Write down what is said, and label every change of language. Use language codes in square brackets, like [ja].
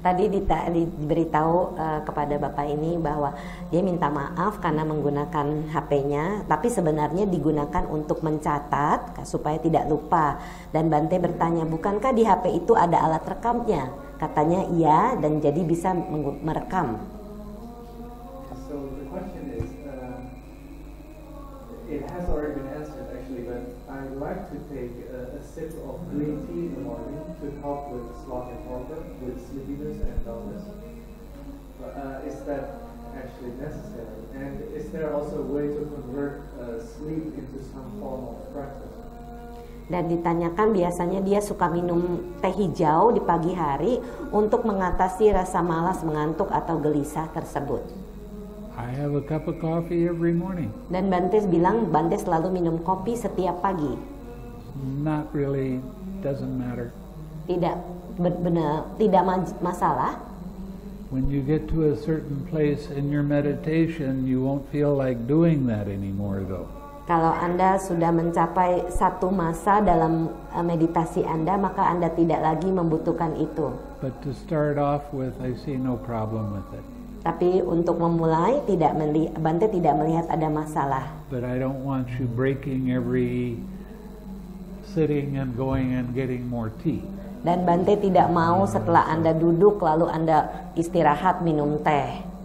[id] tadi diberitahu kepada Bapak ini bahwa dia minta maaf karena menggunakan HP-nya, tapi sebenarnya digunakan untuk mencatat supaya tidak lupa. Dan Bante bertanya, bukankah di HP itu ada alat rekamnya? Katanya iya, dan jadi bisa merekam. [en] So the question is, it has already been answered actually, but I'd like to take a sip of green tea in the morning to help with sloth and torpor, with sleepiness and dullness. Is that actually necessary? And is there also a way to convert sleep into some form of practice? [id] Dan ditanyakan biasanya dia suka minum teh hijau di pagi hari untuk mengatasi rasa malas, mengantuk atau gelisah tersebut. [en] I have a cup of coffee every morning. [id] Dan Bante bilang Bante selalu minum kopi setiap pagi. [en] Not really, doesn't matter. [id] Tidak benar, tidak masalah. [en] When you get to a certain place in your meditation, you won't feel like doing that anymore though. [id] Kalau Anda sudah mencapai satu masa dalam meditasi Anda, maka Anda tidak lagi membutuhkan itu. [en] But to start off with, I see no problem with it. [id] Tapi untuk memulai, Bante tidak melihat ada masalah. [en] But I don't want you breaking every sitting and going and getting more tea. [id] Dan Bante tidak mau setelah Anda duduk lalu Anda istirahat minum teh.